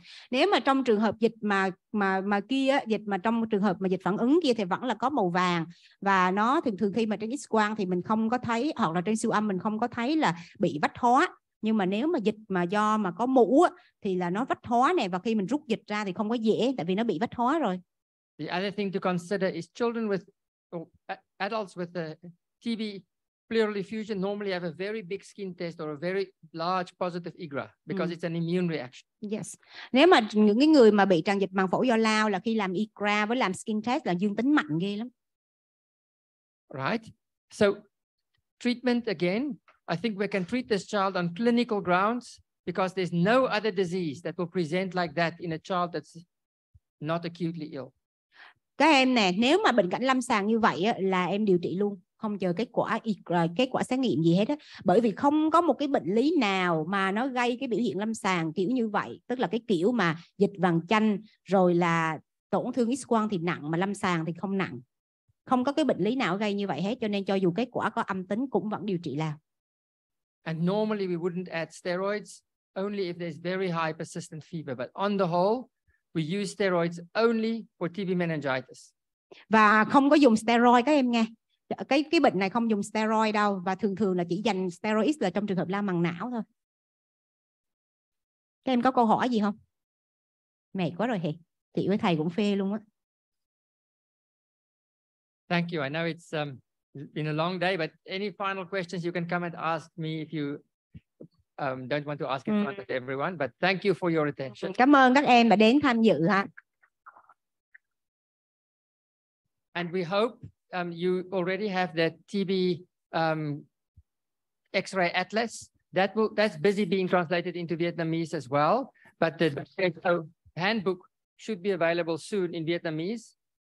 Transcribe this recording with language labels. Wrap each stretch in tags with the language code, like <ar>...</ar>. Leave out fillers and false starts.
<vi>Nếu mà trong trường hợp dịch mà kia dịch mà trong trường hợp mà dịch phản ứng kia thì vẫn là có màu vàng, và nó thường thường khi mà trên x-quang thì mình không có thấy, hoặc là trên siêu âm mình không có thấy là bị vách hóa, nhưng mà nếu mà dịch mà do mà có mũ thì là nó vách hóa này, và khi mình rút dịch ra thì không có dễ tại vì nó bị vách hóa rồi.</vi> <en>The other thing to consider is children with adults with a TB pleural effusion normally have a very big skin test or a very large positive IGRA because it's an immune reaction. Yes.</en> <vi>Nếu mà những cái người mà bị tràn dịch màng phổi do lao là khi làm IGRA với làm skin test là dương tính mạnh ghê lắm.</vi> <en>Right. So treatment again, I think we can treat this child on clinical grounds because there's no other disease that will present like that in a child that's not acutely ill.</en> <vi>Các em nè, nếu mà bệnh cảnh lâm sàng như vậy là em điều trị luôn, không chờ kết quả xét nghiệm gì hết á, bởi vì không có một cái bệnh lý nào mà nó gây cái biểu hiện lâm sàng kiểu như vậy, tức là cái kiểu mà dịch vàng chanh rồi là tổn thương X quang thì nặng mà lâm sàng thì không nặng. Không có cái bệnh lý nào gây như vậy hết, cho nên cho dù kết quả có âm tính cũng vẫn điều trị lao.</vi> <en>And normally we wouldn't add steroids only if there's very high persistent fever, but on the whole we use steroids only for TB meningitis.</en> <vi>Và không có dùng steroid các em nghe. Cái bệnh này không dùng steroid đâu, và thường thường là chỉ dành steroids là trong trường hợp lao màng não thôi. Các em có câu hỏi gì không? Mệt quá rồi hề. Chị với thầy cũng phê luôn á.</vi> <en>Thank you. I know it's been a long day, but any final questions you can come and ask me if you don't want to ask in front of everyone. But thank you for your attention.</en> <vi>Cảm ơn các em đã đến tham dự ha.</vi> <en>And we hope you already have that TB X-ray atlas. That's busy being translated into Vietnamese as well. But the handbook should be available soon in Vietnamese.</en>